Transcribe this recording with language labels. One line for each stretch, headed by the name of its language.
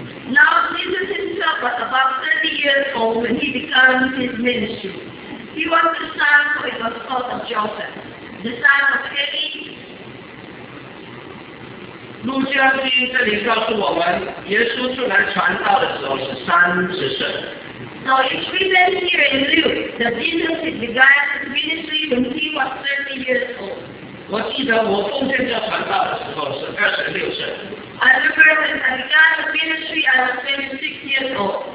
English: Now Jesus himself was about 30 years old when he began his ministry. He was the son who it was called of Joseph, the son of Heli.
Chinese: 路加福音这里告诉我们，耶稣出来传道的时候是三十岁。So
English: it's written here in Luke that Jesus began his ministry when he was 30 years old.
Chinese: 我记得我奉献这传道的时候是二十六岁。I
English: remember when I began the ministry, I was 26 years old.